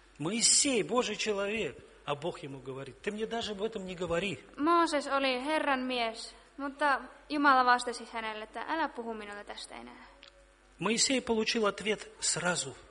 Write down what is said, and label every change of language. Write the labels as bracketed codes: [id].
[ru] Моисей, Божий человек, а Бог ему говорит: "Ты мне даже об этом не говори". [fi] Мосес oli Herran mies, mutta Jumala vastasi hänelle, että älä puhu minulle tästä enää. [ru] Моисей получил ответ сразу.